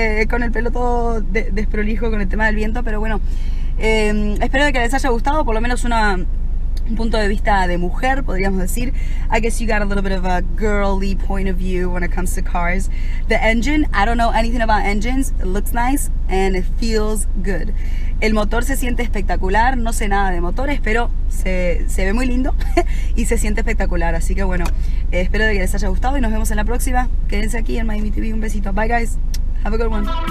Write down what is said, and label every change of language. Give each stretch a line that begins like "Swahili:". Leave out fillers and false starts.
Spanish: Con el pelo todo desprolijo con el tema del viento. Pero bueno, espero que les haya gustado, por lo menos una, un punto de vista de mujer, podríamos decir.
English: I guess you got a little bit of a girly point of view when it comes to cars. The engine, I don't know anything about engines. It looks nice and it feels good.
Spanish: El motor se siente espectacular. No sé nada de motores, pero se ve muy lindo y se siente espectacular. Así que bueno, espero de que les haya gustado y nos vemos en la próxima. Quédense aquí en Miami TV. Un besito.
English: Bye, guys. Have a good one.